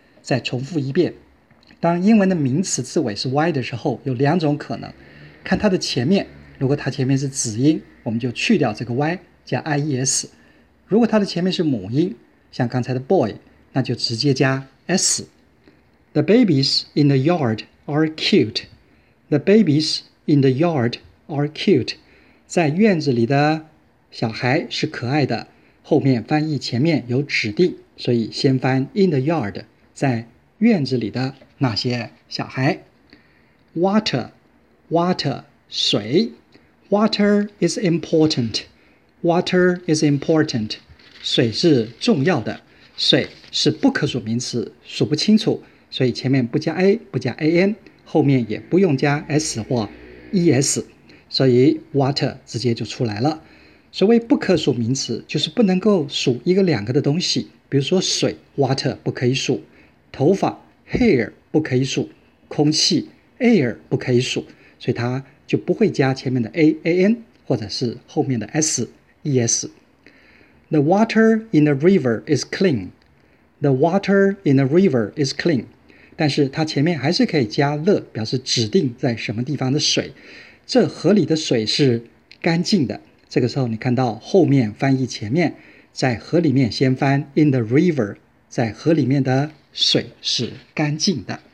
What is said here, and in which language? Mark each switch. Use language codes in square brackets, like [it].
[zh] 再重复一遍，当英文的名词字尾是 y 的时候，有两种可能，看它的前面，如果它前面是子音，我们就去掉这个 y 加 ies， 如果它的前面是母音，像刚才的 boy， 那就直接加 s。 [en] The babies in the yard are cute. The babies in the yard are cute. [zh] 在院子里的小孩是可爱的，后面翻译前面有指定，所以先翻 [en] in the yard， [zh] 在院子里的那些小孩。 [en] Water, water, 水。Water is important. Water is important. [zh] 水是重要的，水是不可数名词，数不清楚，所以前面不加 a， 不加 an， 后面也不用加 s 或 es， 所以 water 直接就出来了。所谓不可数名词，就是不能够数一个两个的东西，比如说水 water 不可以数，头发 hair 不可以数，空气 air 不可以数，所以它就不会加前面的 a an 或者是后面的 s es。 [en] The water in the river is clean. The water in the river is clean. [zh] 但是它前面还是可以加 the， 表示指定在什么地方的水。这河里的水是干净的。这个时候你看到后面翻译前面，在河里面先翻 [en] in the river， [zh] 在河里面的水是干净的。